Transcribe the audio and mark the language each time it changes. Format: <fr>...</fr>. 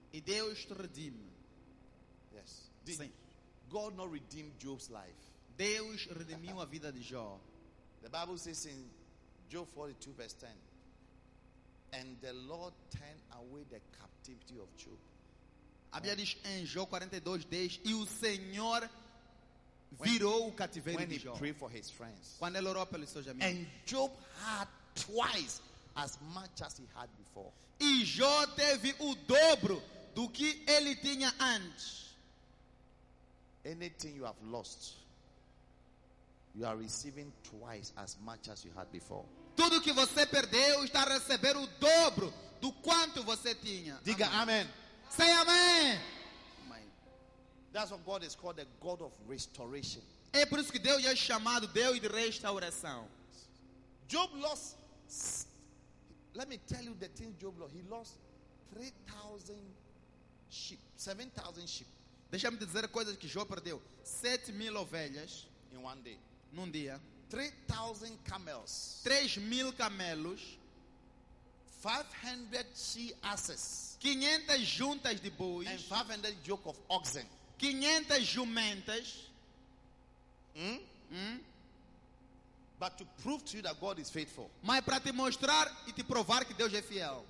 <pt>E Deus te redime.</pt> <en>Yes.</en> <pt>Sim.</pt> <en>God not redeem Job's life.</en> <pt>Deus redimiu a vida de Jó.</pt> <en>The Bible says in Job 42 verse 10. And the Lord turned away the captivity of Job.</en> <pt>A Bíblia diz em Jó 42:10, e o Senhor virou o cativeiro de Jó.</pt> <en>When he prayed for his friends.</en> <pt>Quando ele orou pelos seus amigos.</pt> <en>And Job had twice as much as he had before.</en> <pt>E Jó teve o dobro do que ele tinha antes.</pt> <en>Anything you have lost, you are receiving twice as much as you had before.</en> <pt>Tudo que você perdeu está recebendo o dobro do quanto você tinha. Diga amém.</pt> <en>Say amen. That's what God is called, the God of restoration.</en> <pt>É por isso que Deus é chamado Deus de restauração.</pt> <en>Job lost. Let me tell you the thing Job lost. He lost 3,000 sheep, 7,000 sheep.</en> <pt>Deixa-me dizer coisas que Job perdeu. 7,000 ovelhas.</pt> <en>In one day.</en> <pt>Num dia.</pt> <en>3,000 camels.</en> <pt>3,000 camelos.</pt> <en>500 she asses.</en> <pt>500 juntas de bois.</pt> <en>And 500 yoke of oxen.</en> <pt>500 jumentas.</pt> <en>But to prove to you that God is faithful.</en> <pt>Mas para te mostrar e te provar que Deus é fiel.</pt>